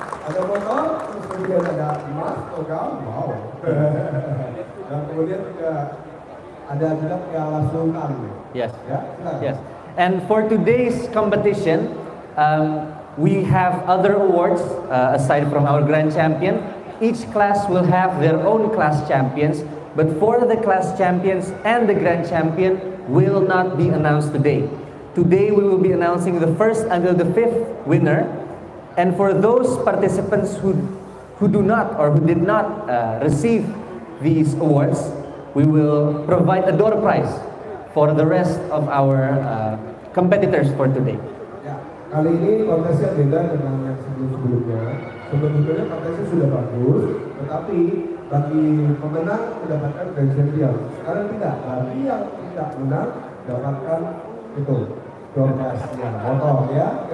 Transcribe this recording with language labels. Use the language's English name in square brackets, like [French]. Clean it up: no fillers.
[Indonesian] Ada motor, terus kemudian ada emas, togel, wow. Dan kemudian juga ada juga piala Sultan. Yes. Ya, yes. [English] And for today's competition, we have other awards aside from our grand champion. Each class will have their own class champions, but for the class champions and the grand champion will not be announced today. Today we will be announcing the first until the fifth winner. And for those participants who did not receive these awards, we will provide a door prize for the rest of our competitors for today. [Indonesian] Kali ini kontesnya beda dengan yang sebelumnya. Sebenarnya kontesnya sudah bagus, tetapi bagi pemenang mendapatkan grand champion. Sekarang tidak, bagi yang tidak menang dapatkan itu prize-nya, motor ya.